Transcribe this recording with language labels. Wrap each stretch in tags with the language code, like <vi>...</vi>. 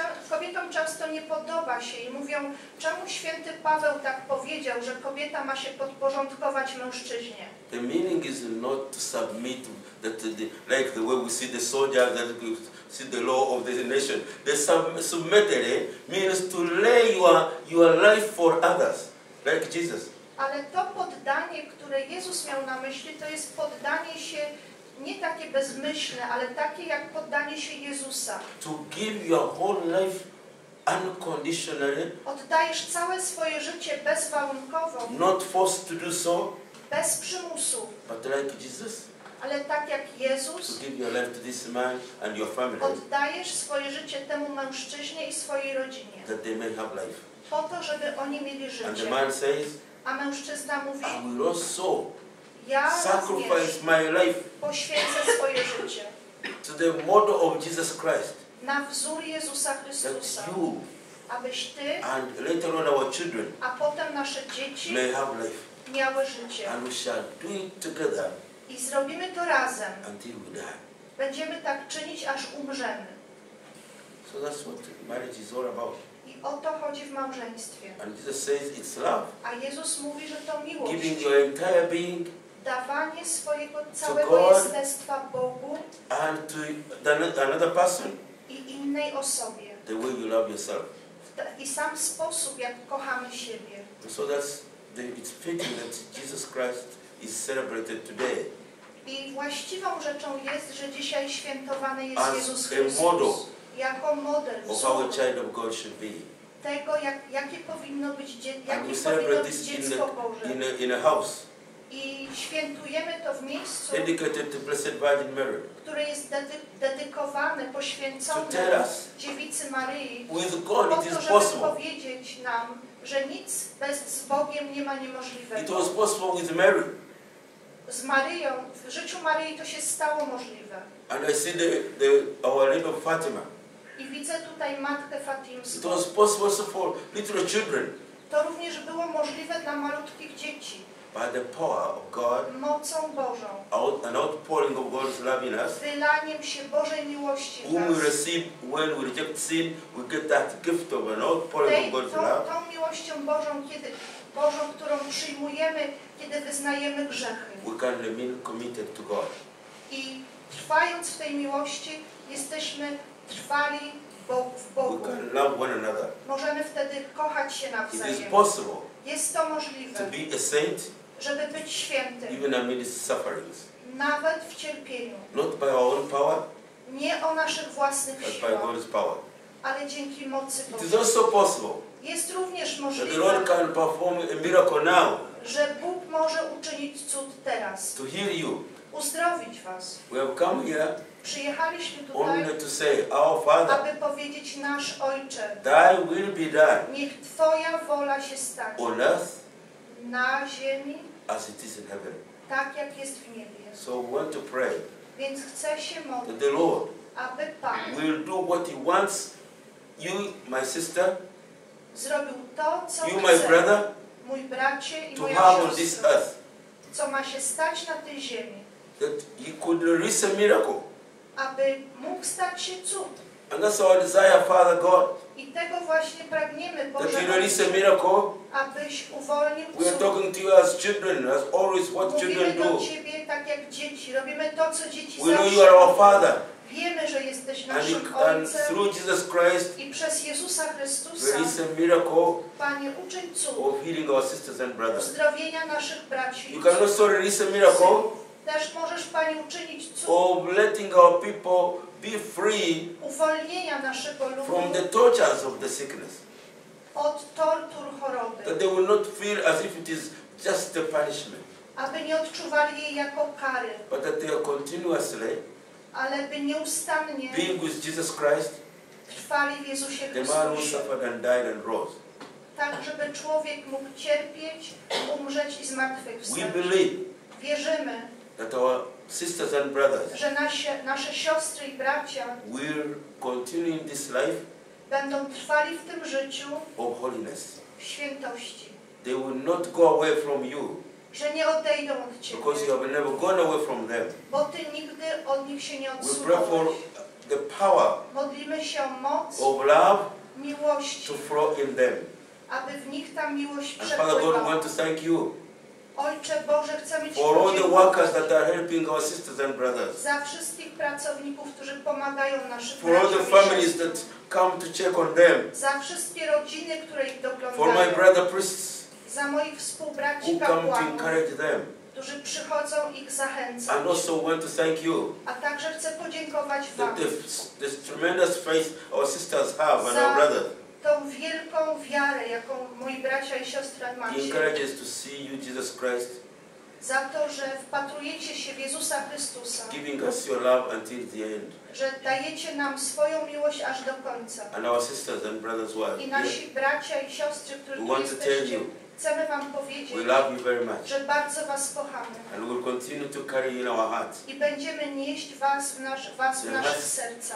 <pl>Kobietom często nie podoba się i mówią, czemu święty Paweł tak powiedział, że kobieta ma się podporządkować mężczyźnie.</pl> <en>The meaning is not to submit that the, like the way we see the soldiers that we see the law of the nation. The submitted means to lay your life for others, like Jesus.</en> <pl>Ale to poddanie, które Jezus miał na myśli, to jest poddanie się nie takie bezmyślne, ale takie jak poddanie się Jezusa.</pl> <en>To give your whole life unconditionally.</en> <pl>Oddajesz całe swoje życie bezwarunkowo.</pl> <en>Not forced to do so.</en> <pl>Bez przymusu.</pl> <en>But like Jesus.</en> <pl>Ale tak jak Jezus.</pl> <en>To give your life to this man and your family.</en> <pl>Oddajesz swoje życie temu mężczyźnie i swojej rodzinie.</pl> <en>That they may have life.</en> <pl>Po to, żeby oni mieli życie.</pl> <en>And the man says,</en> <pl>a mężczyzna mówi,</pl> <en>I will also.</en> <pl>Ja</pl> <en>sacrifice my life.</en> <pl>Poświęcę swoje życie.</pl> <en>To the model of Jesus Christ.</en> <pl>Na wzór Jezusa Chrystusa.</pl> <en>That you,</en> <pl>abyś ty.</pl> <en>And later on our children.</en> <pl>A potem nasze dzieci.</pl> <en>May have life.</en> <pl>Miały życie.</pl> <en>And we shall do it together.</en> <pl>I zrobimy to razem.</pl> <en>Until we die.</en> <pl>Będziemy tak czynić, aż umrzemy.</pl> <en>So that's what marriage is all about.</en> <pl>I o to chodzi w małżeństwie.</pl> <en>And Jesus says it's love.</en> <pl>A Jezus mówi, że to miłość.</pl> <en>Giving your entire being.</en> <pl>Dawanie swojego całego jestestwa Bogu</pl> <en>and to another person,</en> <pl>i innej osobie.</pl> <en>The way you love yourself.</en> <pl>I sam sposób, jak kochamy siebie.</pl> <en>So that's it's fitting that Jesus Christ is celebrated today.</en> <pl>I właściwą rzeczą jest, że dzisiaj świętowany jest</pl> <en>as</en> <pl>Jezus Chrystus jako model</pl> <en>of how a child of God should be.</en> <pl>Tego, jakie powinno być dziecko Boże.</pl> <en>In a house.</en> <pl>I świętujemy to w miejscu,</pl> <en>dedicated to Blessed Virgin Mary,</en> <pl>które jest dedykowane, poświęcone so teraz, Dziewicy Maryi,</pl> <en>with God,</en> <pl>po to, żeby</pl> <en>possible.</en> <pl>Powiedzieć nam, że nic bez z Bogiem nie ma niemożliwego.</pl> <en>It was possible with Mary.</en> <pl>Z Maryją, w życiu Maryi to się stało możliwe.</pl> <en>And I see the our little Fatima.</en> <pl>I widzę tutaj Matkę Fatimską.</pl> <en>It was possible for little children.</en> <pl>To również było możliwe dla malutkich dzieci.</pl> <en>By the power of God,</en> <pl>mocą Bożą,</pl> <en>an outpouring of God's love in us,</en> <pl>wylaniem się Bożej miłości w nas,</pl> <en>we receive when we reject sin, we get that gift of an outpouring of God's love.</en> <pl>Tą miłością Bożą, kiedy Bożą, którą przyjmujemy, kiedy wyznajemy grzechy,</pl> <en>we can remain committed to God.</en> <pl>I trwając w tej miłości, jesteśmy trwali w Bogu.</pl> <en>We can love one another.</en> <pl>Możemy wtedy kochać się nawzajem.</pl> <en>It is possible.</en> <pl>Jest to możliwe,</pl> <en>to be a saint,</en> <pl>żeby być świętym,</pl> <en>even amid sufferings,</en> <pl>nawet w cierpieniu,</pl> <en>not by our own power,</en> <pl>nie o naszych własnych</pl> <en>but</en> <pl>siłach,</pl> <en>by God's power,</en> <pl>ale dzięki mocy Bożej.</pl> <en>It is also possible,</en> <pl>jest również możliwe,</pl> <en>that the Lord can perform a miracle now,</en> <pl>że Bóg może uczynić cud teraz,</pl> <en>to heal you,</en> <pl>uzdrowić was.</pl> <en>We have come here,</en> <pl>przyjechaliśmy tutaj,</pl> <en>only to say, our Father,</en> <pl>aby powiedzieć, nasz Ojcze,</pl> <en>Thy will be done,</en> <pl>niech Twoja wola się stanie,</pl> <en>on earth,</en> <pl>na ziemi,</pl> <en>as it is in heaven,</en> <pl>tak jak jest w niebie.</pl> <en>So we want to pray,</en> <pl>więc chcę się modlić,</pl> <en>that the Lord,</en> <pl>aby Pan,</pl> <en>will do what He wants, you, my sister,</en> <pl>zrobił to, co</pl> <en>you,</en> <pl>chce,</pl> <en>my brother,</en> <pl>mój bracie i</pl> <en>to</en> <pl>moja siostra,</pl> <en>on this earth,</en> <pl>co ma się stać na tej ziemi,</pl> <en>that He could release a miracle,</en> <pl>aby mógł stać się cud.</pl> <en>And that's our desire, Father God.</en> <pl>I tego właśnie pragniemy, Boże.</pl> <en>That you release a miracle.</en> <pl>Abyś uwolnił cud.</pl> <en>We are talking to you as children, as always, what</en> <pl>mówimy</pl> <en>children do.</en> <pl>Mówimy do ciebie tak jak dzieci. Robimy to, co dzieci</pl> <en>we We know you are our Father.</en> <pl>Wiemy, że jesteś naszym Ojcem.</pl> <en>And through Jesus Christ.</en> <pl>I przez Jezusa Chrystusa.</pl> <en>Release a miracle.</en> <pl>Panie, uczyń cud.</pl> <en>Of healing our sisters and brothers.</en> <pl>Uzdrowienia naszych braci.</pl> <en>You can also release a miracle.</en> <pl>Też możesz, Panie, uczynić cud.</pl> <en>Of letting our people be free,</en> <pl>uwolnienia naszego ludu,</pl> <en>from the tortures of the sickness,</en> <pl>od tortur choroby,</pl> <en>that they will not feel as if it is just a punishment,</en> <pl>aby nie odczuwali jej jako kary,</pl> <en>but that they are continuously,</en> <pl>ale by nieustannie,</pl> <en>being with Jesus Christ,</en> <pl>trwali w Jezusie</pl> <en>Chrystusie, the man who suffered and died and rose,</en> <pl>tak żeby człowiek mógł cierpieć, umrzeć i zmartwychwstać.</pl> <en>We believe,</en> <pl>wierzymy,</pl> <en>that our sisters and brothers,</en> <pl>że nasze siostry i bracia,</pl> <en>will continue in this life,</en> <pl>będą trwali w tym życiu,</pl> <en>of holiness,</en> <pl>w świętości,</pl> <en>they will not go away from you,</en> <pl>że nie odejdą od ciebie,</pl> <en>because you have never gone away from them,</en> <pl>bo ty nigdy od nich się nie odsunąłeś.</pl> <en>We pray for the power,</en> <pl>modlimy się o moc,</pl> <en>of love,</en> <pl>miłości,</pl> <en>to flow in them,</en> <pl>aby w nich ta miłość przepływała.</pl> <en>And Father God, we want to thank you.</en> <pl>Ojcze Boże, chcemy Ci</pl> <en>for all the workers that are helping our sisters and brothers,</en> <pl>za wszystkich pracowników, którzy pomagają naszym</pl> <en>for all the families that come to check on them,</en> <pl>za wszystkie rodziny, które ich doglądają,</pl> <en>for my brother priests,</en> <pl>za moich współbraci</pl> <en>who</en> <pl>kapłanów,</pl> <en>come to encourage them,</en> <pl>którzy przychodzą ich zachęcać.</pl> <en>And also want to thank you,</en> <pl>a także chcę podziękować Wam,</pl> <en>that this tremendous faith our sisters have and our brothers,</en> <pl>tą wielką wiarę, jaką moi bracia i siostry macie.</pl> <en>Encourages to see you, Jesus Christ,</en> <pl>za to, że wpatrujecie się w Jezusa Chrystusa.</pl> <en>Giving us your love until the end.</en> <pl>Że dajecie nam swoją miłość aż do końca.</pl> <en>And our sisters and brothers well.</en> <pl>I nasi bracia i siostry, którzy</pl> <en>we want to</en> <pl>jesteście,</pl> <en>tell you,</en> <pl>chcemy Wam powiedzieć,</pl> <en>we love you very much,</en> <pl>że bardzo Was kochamy.</pl> <en>And we'll continue to carry in our hearts.</en> <pl>I będziemy nieść Was w naszych sercach.</pl>